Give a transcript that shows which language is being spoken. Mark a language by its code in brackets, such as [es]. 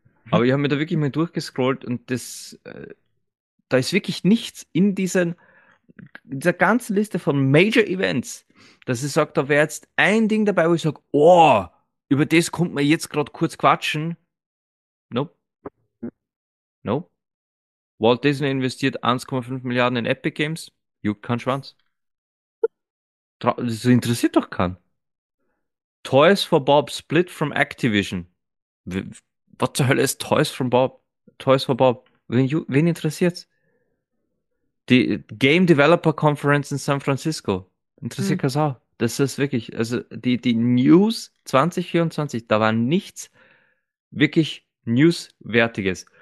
[de] Aber ich habe mir da wirklich mal durchgescrollt und das, da ist wirklich nichts in dieser ganzen Liste von Major Events, dass ich sage, da wäre jetzt ein Ding dabei, wo ich sage, oh, über das kommt man jetzt gerade kurz quatschen. Nope. Nope. Walt Disney investiert 1,5 Milliarden in Epic Games. Juckt kein Schwanz. Das interessiert doch keinen. [en] Toys for Bob split from Activision. [de] Was zur Hölle ist Toys from Bob? Toys for Bob. Wen interessiert's? Die Game Developer Conference in San Francisco. Interessiert keinen Sau. Das ist wirklich, also die News 2024, da war nichts wirklich Newswertiges.